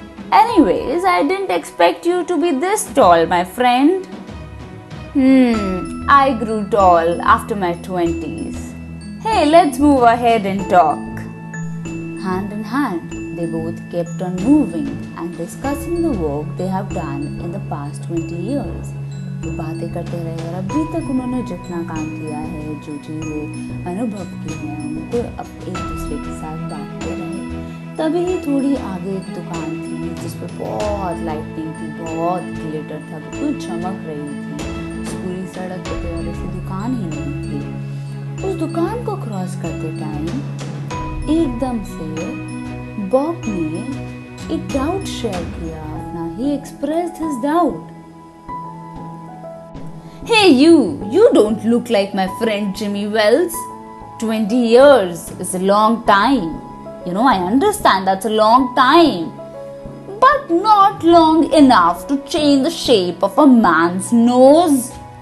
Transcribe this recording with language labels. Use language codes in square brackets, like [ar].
[en] Anyways, I didn't expect you to be this tall, my friend. I grew tall after my 20s. Hey, let's move ahead and talk. Hand in hand, they both kept on moving and discussing the work they have done in the past 20 years. [hi] वो बातें करते रहे और अभी तक उन्होंने जितना काम किया है, जो चीज़ें अनुभव की हैं, उनको अब एक दूसरे के साथ बांटते रहे। तभी थोड़ी आगे एक दुकान थी जिस पर बहुत लाइटिंग थी, बहुत ग्लिटर था, बिल्कुल चमक रही थी। पूरी सड़क के किनारे से दुकान ही नहीं थी। उस दुकान को क्रॉस करते टाइम एकदम से बॉब ने एक डाउट शेयर किया। [en] ना ही expressed his doubt, Hey you don't look like my friend Jimmy Wells. 20 years is a long time. You know, I understand that's a long time. But not long enough to change the shape of a man's nose.